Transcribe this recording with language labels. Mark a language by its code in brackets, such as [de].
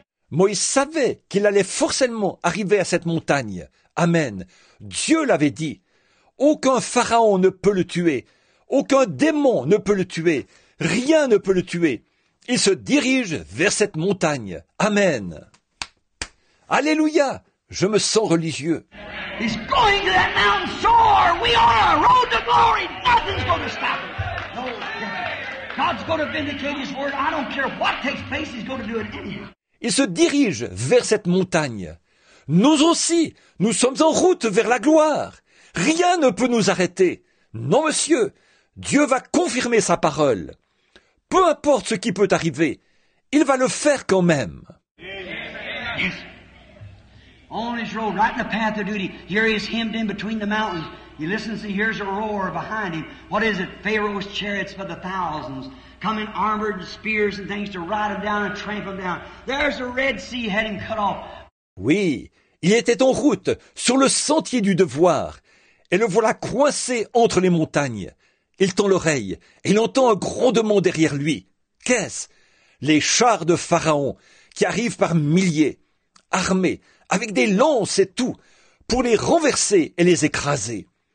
[fr] Moïse savait qu'il allait forcément arriver à cette montagne. Amen. Dieu l'avait dit. Aucun pharaon ne peut le tuer. Aucun démon ne peut le tuer. Rien ne peut le tuer. Il se dirige vers cette montagne. Amen. Alléluia! Je me sens religieux. [en] He's going to that mountain soar. We are on a road to glory. Nothing's going to stop him. No, God's going to vindicate his word. I don't care what takes place. He's going to do it anyhow. [fr] Il se dirige vers cette montagne. Nous aussi, nous sommes en route vers la gloire. Rien ne peut nous arrêter. Non, monsieur, Dieu va confirmer sa parole. Peu importe ce qui peut arriver, il va le faire quand même. [en] Yes. On his road, right in the path of duty. Here he is hemmed in between the mountains. He listens, he hears a roar behind him. What is it? Pharaoh's chariots for the thousands. Coming armored with spears and things to ride him down and tramp him down. There's the Red Sea had him cut off. [fr] Oui, il était en route, sur le sentier du devoir. Et le voilà coincé entre les montagnes. Il tend l'oreille et il entend un grondement derrière lui. Qu'est-ce? Les chars de Pharaon qui arrivent par milliers, armés, avec des lances et tout, pour les renverser et les écraser.